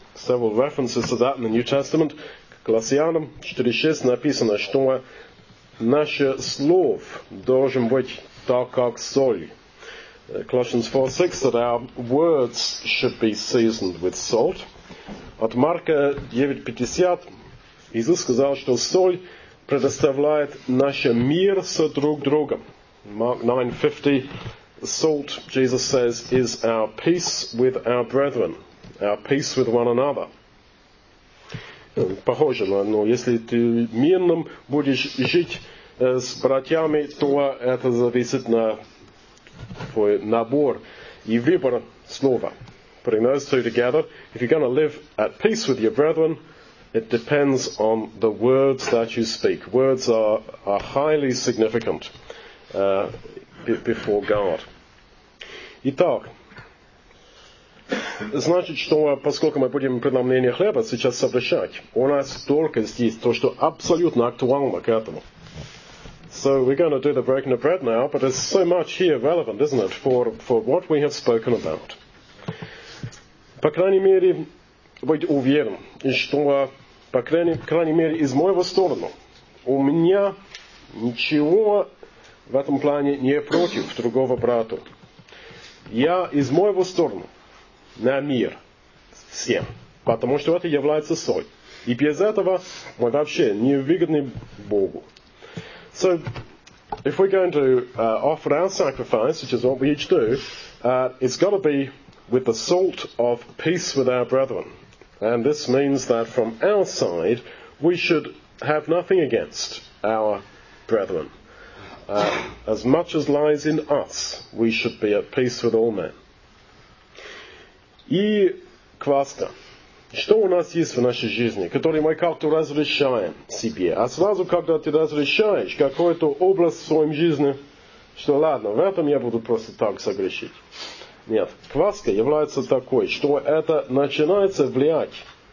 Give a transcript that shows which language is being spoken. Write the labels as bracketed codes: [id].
[en] Several references to that in the New Testament. [ru] Колоссянам 4:6 написано, что наше слово должен быть так, как соль. [en] Colossians 4:6, that our words should be seasoned with salt. [ru] От Марка 9:50 Иисус сказал, что соль предоставляет наше мир с друг другом. [en] Mark 9:50, salt, Jesus says, is our peace with our brethren, our peace with one another. [ru] Похоже, но если ты мирным будешь жить с братьями, то это зависит на твой набор и выбор слова. [en] Putting those two together, if you're going to live at peace with your brethren, it depends on the words that you speak. Words are highly significant before God. [ru] Итак, значит, что поскольку мы будем преломление хлеба сейчас совращать, у нас только здесь то, что абсолютно актуально к этому. [en] So we're going to do the breaking of bread now, but there's so much here relevant, isn't it, for what we have spoken about. [ru] По крайней мере, быть уверен, что, по крайней мере, из моего стороны, у меня ничего в этом плане не против другого брата. Я из моего стороны на мир всем, потому что это является соль. И без этого мы вообще не выгодны Богу. [en] So, if we're going to offer our sacrifice, which is what we each do, it's got to be with the salt of peace with our brethren. And this means that from our side, we should have nothing against our brethren. As much as lies in us, we should be at peace with all men. [ru] И квасто. Что у нас есть в нашей жизни, который мы как-то разрешаем себе? А сразу, когда ты разрешаешь какой-то образ в своем жизни, что ладно, в этом я буду просто так согрешить. Нет, кваска является такой, что это начинается влиять.